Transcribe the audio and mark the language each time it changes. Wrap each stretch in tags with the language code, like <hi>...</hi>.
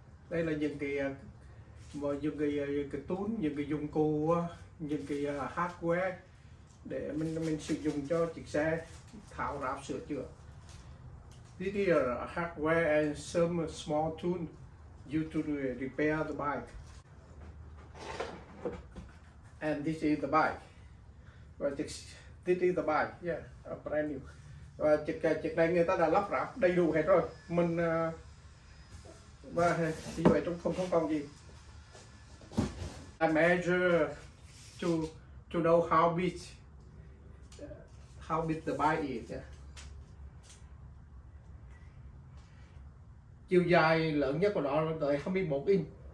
<vi>Đây là những cái mà những cái tool, những cái dụng cụ, những cái hardware để mình sử dụng cho chiếc xe, tháo ráp sửa chữa.</vi> <en>This is a hardware and some small tool used to repair the bike. And this is the bike. Và this is the bike, yeah, a brand new.</en> <vi>Và chiếc này người ta đã lắp ráp đầy đủ hết rồi. Mình và như vậy trong không không còn gì.</vi> <en>I measure to know how big the bike is.</en> <vi>Chiều dài lớn nhất của nó là tới 21 inch.</vi>